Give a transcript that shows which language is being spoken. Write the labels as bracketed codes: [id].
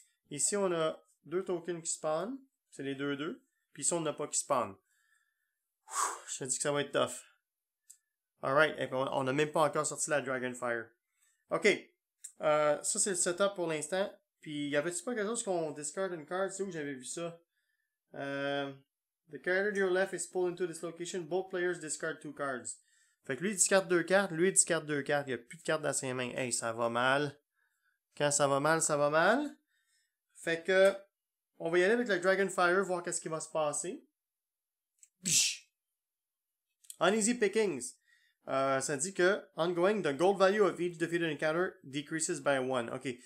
[fr] Ici, on a 2 tokens qui spawn. C'est les 2-2. Puis ici, on n'a pas qui spawn. Je te dis que ça va être tough. Alright. On n'a même pas encore sorti la Dragonfire. OK. Ça, c'est le setup pour l'instant. Puis, y avait-tu pas quelque chose qu'on discard une carte? C'est où j'avais vu ça? [en] The character to your left is pulled into this location. Both players discard 2 cards. [fr] Fait que lui, il discarde 2 cartes. Lui, il discarde 2 cartes. Il n'y a plus de cartes dans ses mains. Hey, ça va mal. Quand ça va mal, ça va mal. Fait que, on va y aller avec le Dragonfire, voir qu'est-ce qui va se passer. [en] Bish! Uneasy pickings. [fr] Ça dit que, [en] ongoing, the gold value of each defeated encounter decreases by 1. Ok.